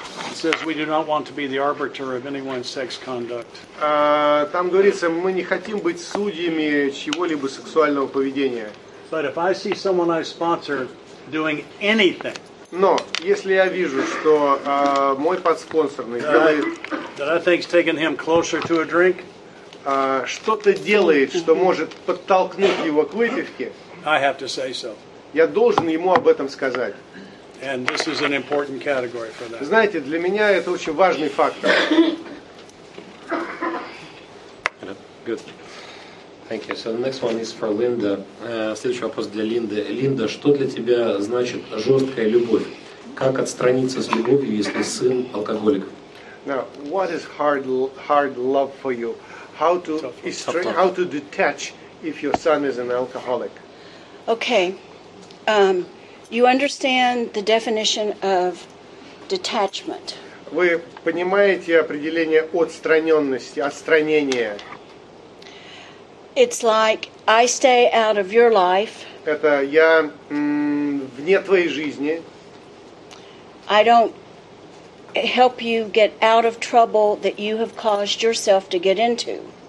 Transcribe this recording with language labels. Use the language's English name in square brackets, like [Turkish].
[English] It says we do not want to be the arbiter of anyone's sex conduct. [Russian] Там говорится, мы не хотим быть судьями чьего-либо сексуального поведения. [English] But if I see someone I sponsor doing anything. [Russian] Но если я вижу, что мой подспонсорный делает, [English] that I think's taking him closer to a drink, [Russian] что-то делает, что может подтолкнуть его к выпивке, [English] I have to say so. [Russian] Я должен ему об этом сказать. [English] And this is an important category for that. [Russian] Знаете, для меня это очень важный фактор. [English] Good. Thank you. So the next one is for Linda. [Russian] Следующий вопрос для Линды. Линда, что для тебя значит жесткая любовь? Как отстраниться с любовью, если сын алкоголик? [English] Now, what is hard love for you? How to detach if your son is an alcoholic? Okay. You understand the definition of detachment. [Russian] Вы понимаете определение отстраненности, отстранения? [English] It's like I stay out of your life. [Russian] Это я вне твоей жизни. [English] I don't help you get out of trouble that you have caused yourself to get into.